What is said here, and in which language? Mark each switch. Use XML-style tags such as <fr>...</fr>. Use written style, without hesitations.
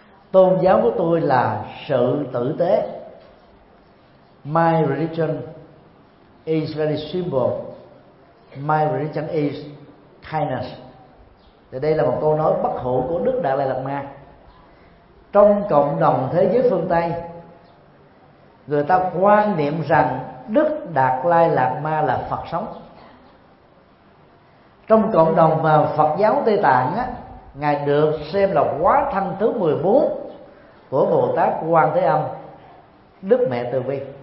<vi>Tôn giáo của tôi là sự tử tế.</vi> <en>My religion is very simple. My religion is kindness.</en> <vi>Thì đây là một câu nói bất hủ của Đức Đạt Lai Lạt Ma. Trong cộng đồng thế giới phương Tây, người ta quan niệm rằng Đức Đạt Lai Lạt Ma là Phật sống. Trong cộng đồng mà Phật giáo Tây Tạng á, Ngài được xem là hóa thân thứ 14 của Bồ Tát Quan Thế Âm, Đức Mẹ Từ Bi.</vi>